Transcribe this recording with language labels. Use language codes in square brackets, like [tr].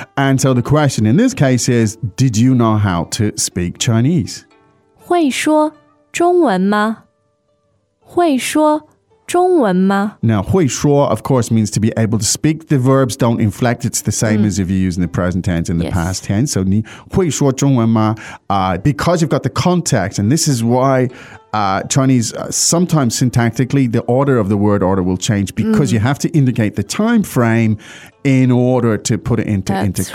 [en] And so the question in this case is, did you know how to speak Chinese? [zh] 会说中文吗? 会说中文吗? 中文吗? [en] Now, 会说, of course, means to be able to speak. The verbs don't inflect. It's the same as if you use in the present tense and the past tense. [zh] So 你会说中文吗? [en] Because you've got the context, and this is why Chinese, sometimes syntactically, the order of the word order will change because you have to indicate the time frame in order to put it into context.